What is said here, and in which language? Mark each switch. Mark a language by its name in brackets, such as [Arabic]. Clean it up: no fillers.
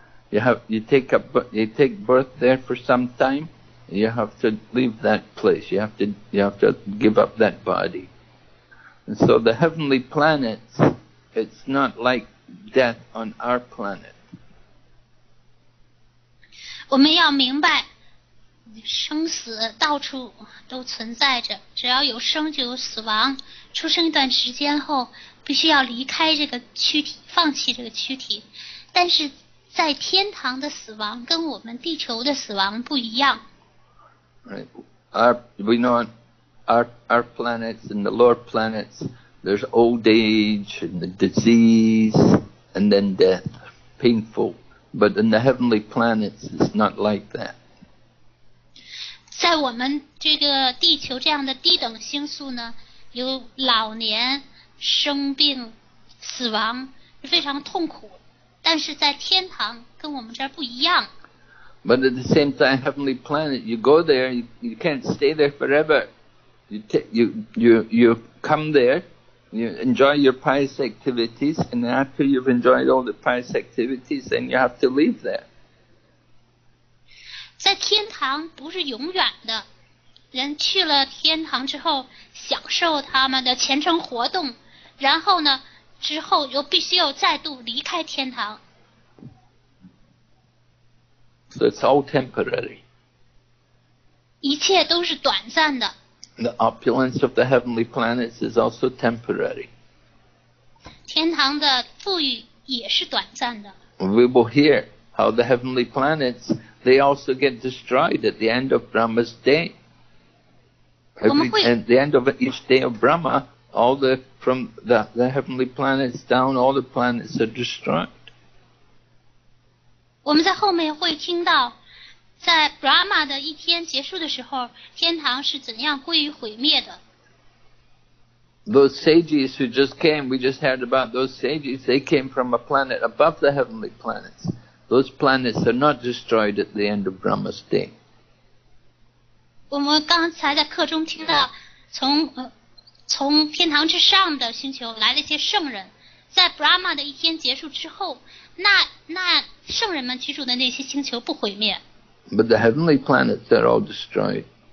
[English] You take birth there for some time. You have to leave that place. You have to give up that body. And so the heavenly planets, it's not like death on our planet. [Chinese] 我们要明白，生死到处都存在着。只要有生就有死亡。出生一段时间后，必须要离开这个躯体，放弃这个躯体。但是在天堂的死亡跟我们地球的死亡不一样。 [English] Right. We know our planets and the lower planets, there's old age and the disease and then death, painful. But in the heavenly planets, it's not like that. [Chinese] 在我们这个地球这样的低等星宿呢，有老年、生病、死亡，非常痛苦。但是在天堂跟我们这儿不一样。 [English] But at the same time, heavenly planet, you go there, you can't stay there forever. You come there, you enjoy your pious activities, and after you've enjoyed all the pious activities, then you have to leave there. [Chinese] 在天堂不是永远的，人去了天堂之后，享受他们的前程活动，然后呢，之后又必须要再度离开天堂。 [English] So it's all temporary. [Chinese] 一切都是短暂的。 [English] The opulence of the heavenly planets is also temporary. [Chinese] 天堂的富裕也是短暂的。 [English] We will hear how the heavenly planets, they also get destroyed at the end of Brahma's day. At the end of each day of Brahma, all the, from the heavenly planets down, all the planets are destroyed. [Chinese] 我们在后面会听到，在 Brahma 的一天结束的时候，天堂是怎样归于毁灭的。 [English] Those sages who just came, we just heard about those sages, they came from a planet above the heavenly planets. Those planets are not destroyed at the end of Brahma's day. [Chinese] 我们刚才在课中听到，从天堂之上的星球来了一些圣人，在 Brahma 的一天结束之后，那圣人们居住的那些星球不毁灭。 [English] But the heavenly planets are all destroyed.